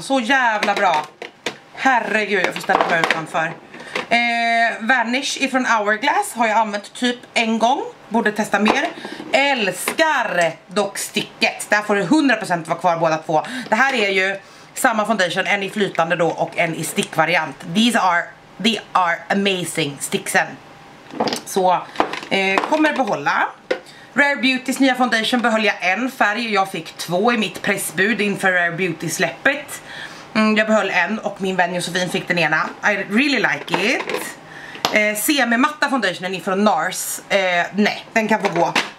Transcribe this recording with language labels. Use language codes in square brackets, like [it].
[sv] Så jävla bra. Herregud, jag får ställa mig utanför. Vanish ifrån Hourglass har jag använt typ en gång. Borde testa mer. Älskar dock sticket. Där får du 100% vara kvar båda två. Det här är ju samma foundation, en i flytande då och en i stickvariant. [en] They are amazing sticksen. [sv] Så, kommer behålla. Rare Beautys nya foundation behöll jag en färg, jag fick två i mitt pressbud inför Rare Beauty släppet. Jag behöll en och min vän Josefin fick den ena. [en] I really like it. [sv] Semi-matta foundationen ifrån NARS. Nej, den kan få gå.